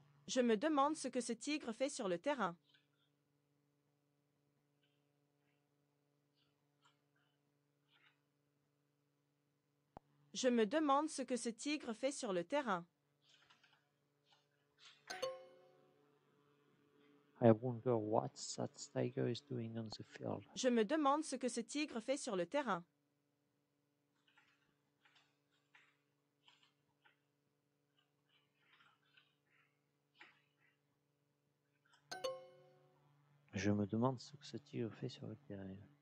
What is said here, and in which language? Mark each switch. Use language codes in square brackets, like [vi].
[fr] Je me demande ce que ce tigre fait sur le terrain. Je me demande ce que ce tigre fait sur le terrain. [en] I wonder what that tiger is doing on the field. [fr] Je me demande ce que ce tigre fait sur le terrain. Je me demande ce que ce tigre fait sur le terrain.